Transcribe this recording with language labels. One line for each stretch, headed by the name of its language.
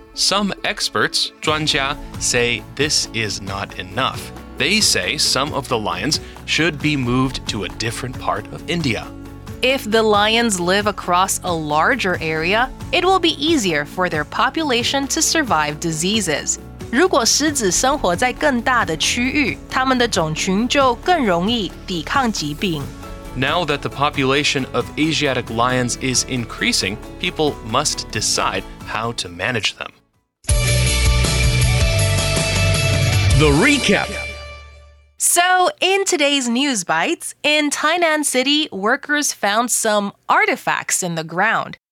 English: Some experts, 专家, say this is not enough. They say some of the lions should be moved to a different part of India. If the lions live across a larger area, it will be easier for their population to survive diseases.
Chinese: 如果狮子生活在更大的区域，它们的种群就更容易抵抗疾病。
English: Now that the population of Asiatic lions is increasing, people must decide how to manage them. The recap. So, in today's News Bites, in Tainan City, workers found some artifacts in the ground.